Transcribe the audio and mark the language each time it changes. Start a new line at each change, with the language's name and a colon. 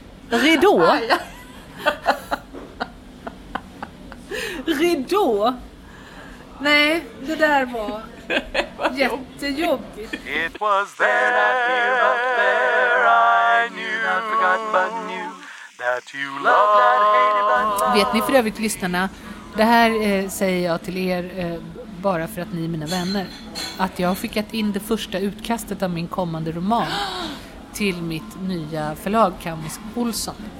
Swedish: Ridå. Ridå. Nej, det där var jättejobbigt.
English: It was there, there I knew, I forgot but knew.
Swedish: Vet ni för övrigt, lyssnarna, det här säger jag till er bara för att ni är mina vänner, att jag har skickat in det första utkastet av min kommande roman till mitt nya förlag Kamis Olsson.